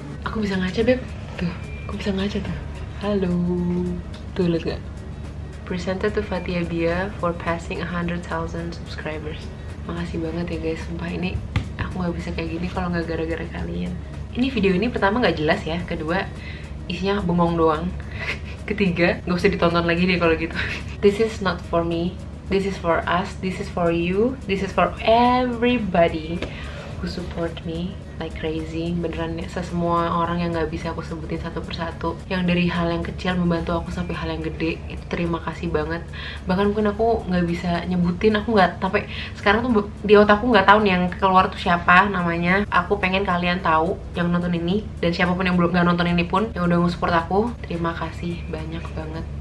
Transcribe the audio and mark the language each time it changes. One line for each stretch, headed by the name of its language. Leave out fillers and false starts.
Indonesian: Aku bisa ngaca, Beb. Tuh, aku bisa ngaca tuh. Halo. Tuh, liat gak?
English: Presented to Fathia Bia for passing 100,000 subscribers.
Indonesian: Makasih banget ya guys, sumpah ini aku gak bisa kayak gini kalau gak gara-gara kalian. Ini video ini pertama gak jelas ya, kedua isinya bengong doang. Ketiga, gak usah ditonton lagi deh kalau gitu.
English: This is not for me, this is for us, this is for you, this is for everybody who support me like crazy.
Indonesian: Beneran ya, sesemua orang yang gak bisa aku sebutin satu persatu, yang dari hal yang kecil membantu aku sampai hal yang gede, itu terima kasih banget. Bahkan mungkin aku gak bisa nyebutin, aku gak, sampai sekarang tuh di otakku gak tahu nih yang keluar tuh siapa namanya. Aku pengen kalian tahu yang nonton ini, dan siapapun yang belum gak nonton ini pun yang udah nge-support aku, terima kasih banyak banget.